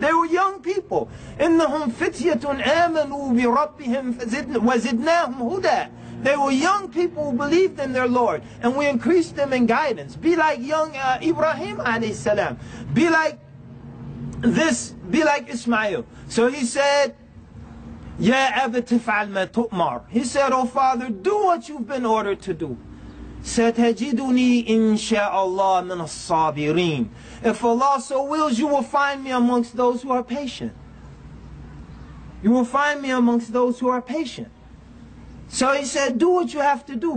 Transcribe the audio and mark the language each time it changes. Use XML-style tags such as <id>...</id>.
<en>They were young people.</en> <ar>إِنَّهُمْ فِتْيَةٌ آمَنُوا بِرَبِّهِمْ وَزِدْنَاهُمْ هُدًى.</ar> <en>They were young people who believed in their Lord, and we increased them in guidance. Be like young Ibrahim alayhi salam. Be like this, be like Ismail. So he said,</en> <ar>يَا أَبَ تِفْعَلْ مَا تُؤْمَرْ.</ar> <en>He said, oh Father, do what you've been ordered to do.</en> <ar>سَتَجِدُنِي إِنْشَاءَ اللَّهِ مِنَ الصَّابِرِينَ.</ar> <en>If Allah so wills, you will find me amongst those who are patient. You will find me amongst those who are patient. So he said, do what you have to do.</en>